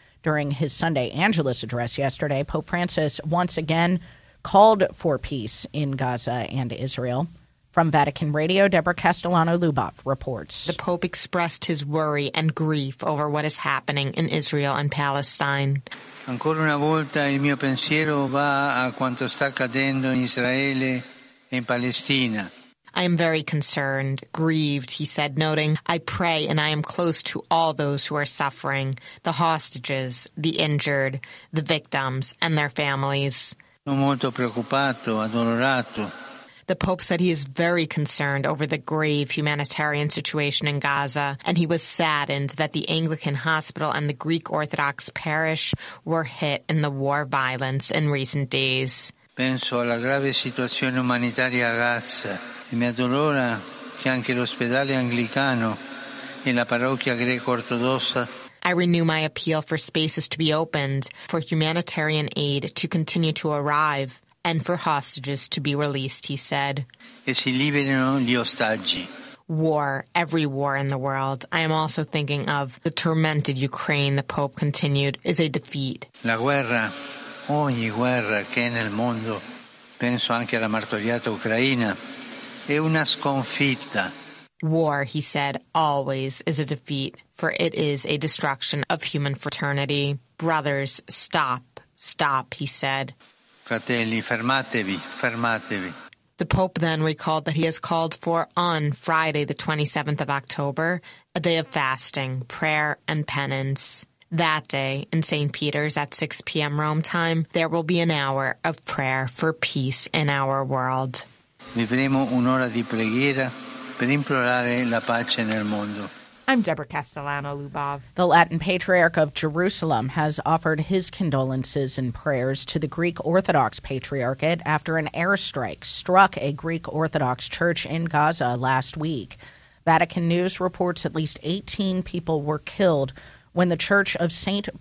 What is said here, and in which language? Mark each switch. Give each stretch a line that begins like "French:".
English: During his Sunday Angelus address yesterday, Pope Francis once again called for peace in Gaza and Israel. From Vatican Radio, Deborah Castellano-Luboff reports. The Pope expressed his worry and grief over what is happening in Israel and Palestine.
Italian: Ancora una volta il mio pensiero va a quanto sta accadendo in Israele e in Palestina.
English: I am very concerned, grieved, he said, noting, I pray and I am close to all those who are suffering, the hostages, the injured, the victims, and their families.
Italian: Molto preoccupato, addolorato.
English: The Pope said he is very concerned over the grave humanitarian situation in Gaza, and he was saddened that the Anglican hospital and the Greek Orthodox parish were hit in the war violence in recent days.
Italian: Penso alla grave situazione umanitaria a Gaza. E mi addolora che anche l'ospedale anglicano e la parrocchia greco-ortodossa.
English: I renew my appeal for spaces to be opened, for humanitarian aid to continue to arrive, and for hostages to be released, he said.
Italian: E si liberino gli ostaggi.
English: War, every war in the world. I am also thinking of the tormented Ukraine, the Pope continued, is a defeat.
Italian: La guerra, ogni guerra che è nel mondo, penso anche alla martoriata Ucraina, è una sconfitta.
English: War, he said, always is a defeat, for it is a destruction of human fraternity. Brothers, stop, stop, he said.
Italian: Fratelli, fermatevi, fermatevi.
English: The Pope then recalled that he has called for, on Friday, the 27th of October, a day of fasting, prayer, and penance. That day, in St. Peter's at 6 p.m. Rome time, there will be an hour of prayer for peace in our world.
Italian: Vivremo un'ora di preghiera per implorare la pace nel mondo.
English: I'm Deborah Castellano-Lubov. The Latin Patriarch of Jerusalem has offered his condolences and prayers to the Greek Orthodox Patriarchate after an airstrike struck a Greek Orthodox church in Gaza last week. Vatican News reports at least 18 people were killed when the Church of St.